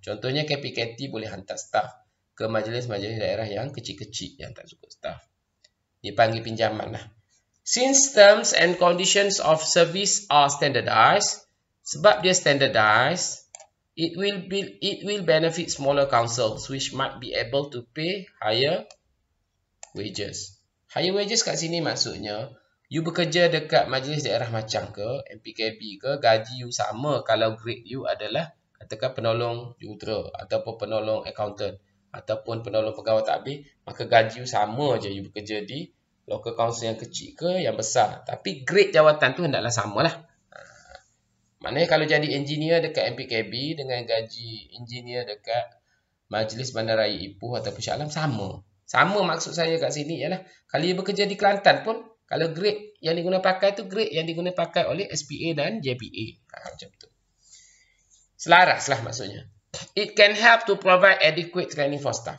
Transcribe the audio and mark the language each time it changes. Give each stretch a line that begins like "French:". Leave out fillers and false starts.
Malay: Contohnya KPKT boleh hantar staff ke majlis-majlis daerah yang kecil-kecil yang tak cukup staff. Dipanggil pinjaman lah.
English: Since terms and conditions of service are standardized,
Malay: sebab dia standardized,
English: it will benefit smaller councils which might be able to pay higher wages.
Malay: Higher wages kat sini maksudnya, you bekerja dekat majlis daerah macam ke, MPKB ke, gaji you sama kalau grade you adalah katakan penolong jurutera ataupun penolong accountant ataupun penolong pegawai tadbir, maka gaji you sama je you bekerja di local council yang kecil ke yang besar. Tapi grade jawatan tu hendaklah samalah. Maknanya kalau jadi engineer dekat MPKB dengan gaji engineer dekat Majlis Bandaraya Ipoh ataupun Shah Alam sama. Sama maksud saya kat sini ialah kalau you bekerja di Kelantan pun, kalau grade yang diguna pakai tu grade yang diguna pakai oleh SPA dan JPA. Macam tu. Selaras lah maksudnya.
English: It can help to provide adequate training for staff.